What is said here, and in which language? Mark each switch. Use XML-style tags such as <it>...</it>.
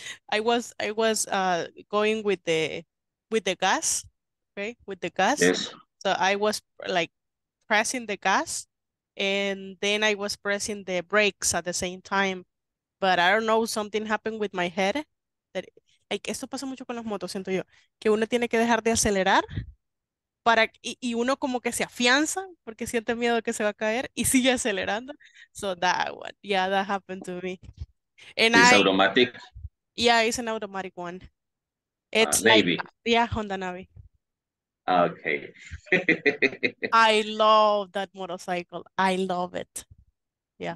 <en>I was going with the gas, okay, with the gas. Yes. So I was like pressing the gas, and then I was pressing the brakes at the same time, but I don't know, something happened with my head that.</en> <es>Like, esto pasa mucho con las motos, siento yo, que uno tiene que dejar de acelerar para y uno como que se afianza porque siente miedo que se va a caer y sigue acelerando.</es> <en>So that one, yeah, that happened to me. And It's I, automatic. yeah, it's an automatic one. It's Navy. Like, yeah, Honda Navi. Okay. I love that motorcycle. I love it. Yeah.</en>